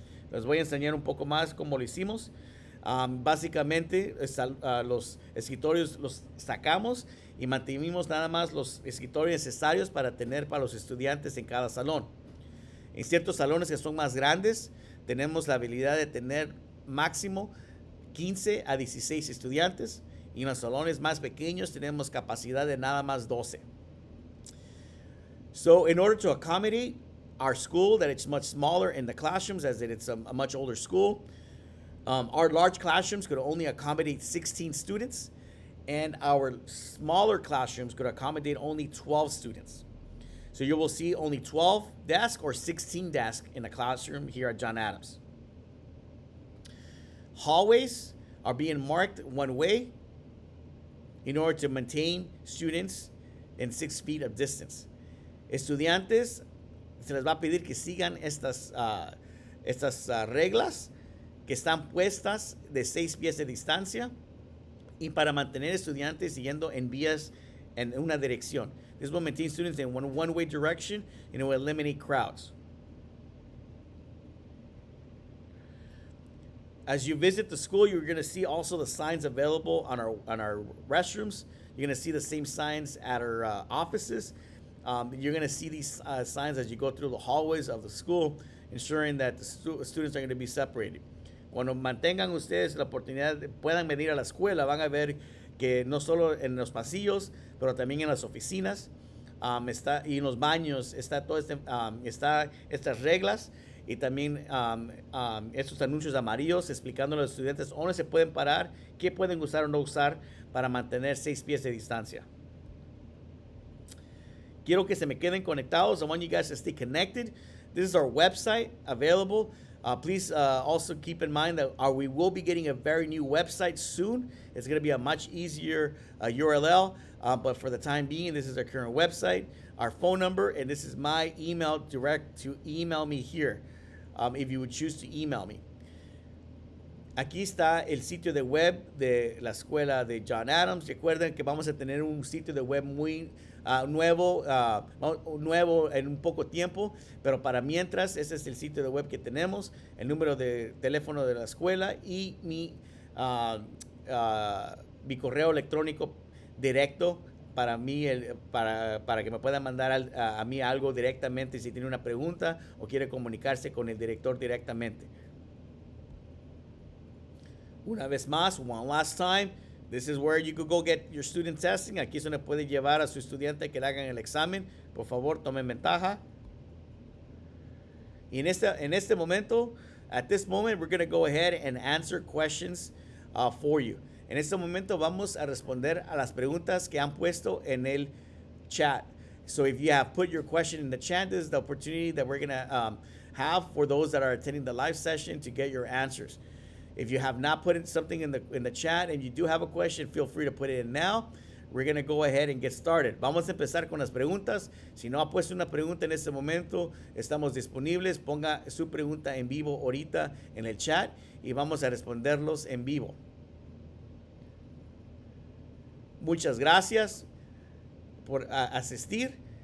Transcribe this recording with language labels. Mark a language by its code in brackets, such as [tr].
[es] Les voy a enseñar un poco más cómo lo hicimos. Básicamente, los escritorios los sacamos y mantuvimos nada más los escritorios necesarios para tener para los estudiantes en cada salón. En ciertos salones que son más grandes, tenemos la habilidad de tener máximo 15 a 16 estudiantes. Y en los salones más pequeños, tenemos capacidad de nada más 12. [en] So, in order to accommodate our school, that it's much smaller in the classrooms as it's a much older school, our large classrooms could only accommodate 16 students, and our smaller classrooms could accommodate only 12 students. So you will see only 12 desks or 16 desks in the classroom here at John Adams. Hallways are being marked one way in order to maintain students in 6 feet of distance. [es] Estudiantes, se les va a pedir que sigan estas reglas que están puestas de 6 pies de distancia y para mantener estudiantes siguiendo en vías en una dirección. [en] This will maintain students in one one-way direction and it will eliminate crowds. As you visit the school, you're going to see also the signs available on our restrooms. You're going to see the same signs at our offices. You're going to see these signs as you go through the hallways of the school, ensuring that the students are going to be separated. [es] Cuando mantengan ustedes la oportunidad, puedan venir a la escuela, van a ver que no solo en los pasillos, pero también en las oficinas está, y en los baños está todo este, está estas reglas y también estos anuncios amarillos explicando a los estudiantes dónde se pueden parar, qué pueden usar o no usar para mantener 6 pies de distancia. Quiero que se me queden conectados. [en] I want you guys to stay connected. This is our website available. Please also keep in mind that we will be getting a very new website soon. It's going to be a much easier URL, but for the time being, this is our current website, our phone number, and this is my email direct to email me here, if you would choose to email me. [es] Aquí está el sitio de web de la escuela de John Adams. Recuerden que vamos a tener un sitio de web muy nuevo en un poco tiempo, pero para mientras, ese es el sitio de web que tenemos, el número de teléfono de la escuela y mi correo electrónico directo para mí, para que me puedan mandar a mí algo directamente si tiene una pregunta o quiere comunicarse con el director directamente. Una vez más, [en] one last time, This is where you could go get your student testing. [es] Aquí se le puede llevar a su estudiante que le hagan el examen. Por favor, tomen ventaja. Y en este momento, [en] at this moment, we're going to go ahead and answer questions for you. [es] En este momento, vamos a responder a las preguntas que han puesto en el chat. [en] So if you have put your question in the chat, this is the opportunity that we're going to have for those that are attending the live session to get your answers. If you have not put in something in the chat and you do have a question, feel free to put it in now. We're going to go ahead and get started. [es] Vamos a empezar con las preguntas. Si no ha puesto una pregunta en este momento, estamos disponibles. Ponga su pregunta en vivo ahorita en el chat y vamos a responderlos en vivo. Muchas gracias por asistir.